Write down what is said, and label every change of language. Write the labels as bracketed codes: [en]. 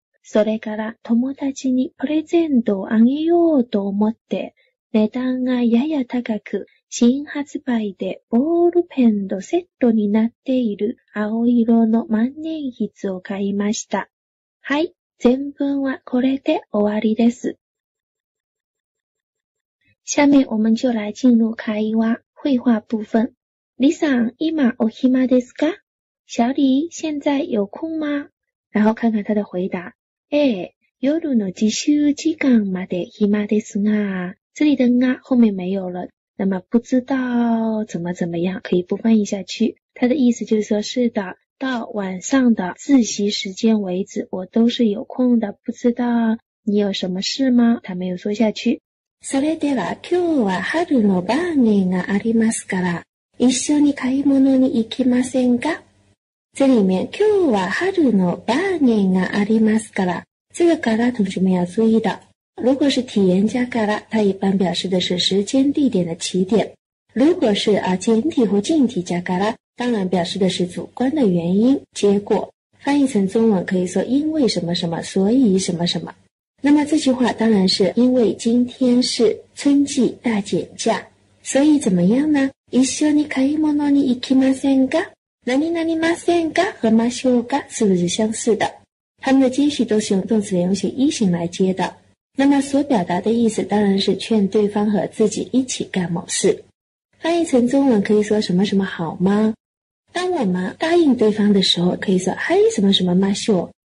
[ja] それから友達にプレゼントをあげようと思って、値段がやや高く、新発売でボールペンとセットになっている青色の万年筆を買いました。はい、全文はこれで終わりです。 [zh] 下面我们就来进入会話、绘画部分。 [ja] 李さん、今お暇ですか？ [zh] 小李、现在有空吗？然后看看他的回答。 [ja] ええ、夜の自習時間まで暇ですが、 [zh] 这里的が后面没有了。那么不知道怎么怎么样，可以不翻译下去。他的意思就是说，是的，到晚上的自习时间为止，我都是有空的。不知道你有什么事吗？他没有说下去。 [ja] それでは今日は春のバーゲンがありますから、一緒に買い物に行きませんか？ [zh] 这里面 [ja] 今日は春のバーゲンがありますから， [zh] 这个から同学们要注意的。如果是体验加から，它一般表示的是时间地点的起点。如果是啊简体或近体加から，当然表示的是主观的原因结果。翻译成中文可以说因为什么什么，所以什么什么。那么这句话当然是因为今天是春季大减价，所以怎么样呢？ [ja] 一緒に買い物に行きませんか？何々ませんか？ [zh] 和ましょうか？是不是相似的？他们的接续都是用动词连用型一型来接的。那么所表达的意思当然是劝对方和自己一起干某事。翻译成中文可以说什么什么好吗？当我们答应对方的时候可以说嗨什么什么马秀。